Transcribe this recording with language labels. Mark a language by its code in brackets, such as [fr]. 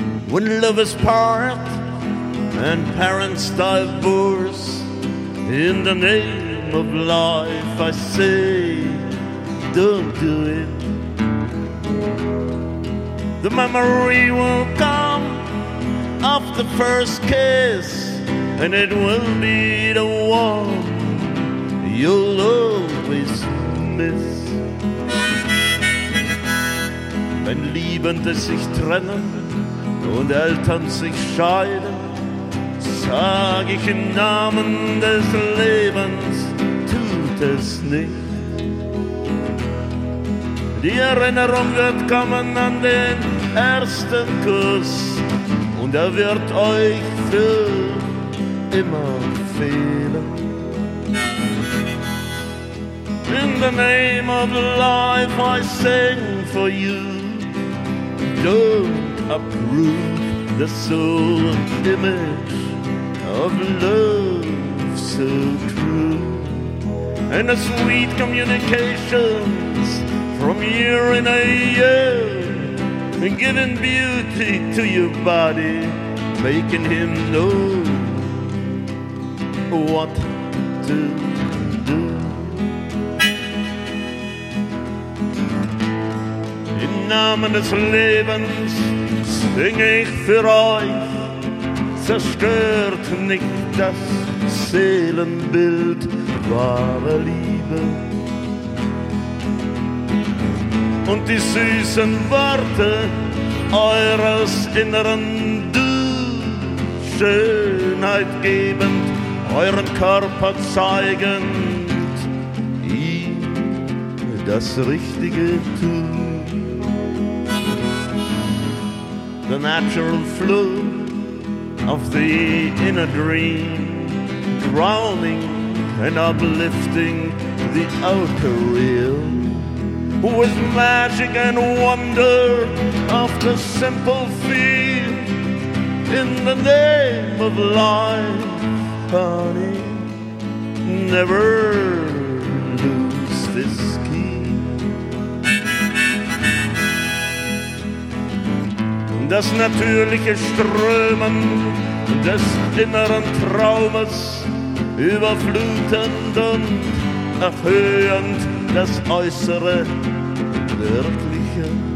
[en] when lovers part and parents divorce, in the name of life I say, don't do it. The memory will come of the first kiss, and it will be the one you'll always miss. [de] Wenn Liebende sich trennen und Eltern sich scheiden, sag ich im Namen des Lebens, tut es nicht. Die Erinnerung wird kommen an den ersten Kuss, und er wird euch für immer fehlen. [en] In the name of life I sing for you, don't uproot the soul image of love so true. And the sweet communications from year in a year, giving beauty to your body, making him know what to do. [de] Im Namen des Lebens sing ich für euch, zerstört nicht das Seelenbild wahrer Liebe. Und die süßen Worte eures inneren Du, Schönheit gebend, euren Körper zeigend, ihm das Richtige tun. [en] The natural flow of the inner dream, drowning and uplifting the outer real, with magic and wonder of the simple feel. In the name of life, honey, never lose this. [de] Das natürliche Strömen des inneren Traumes, überflutend und erhöhend das äußere Wirkliche.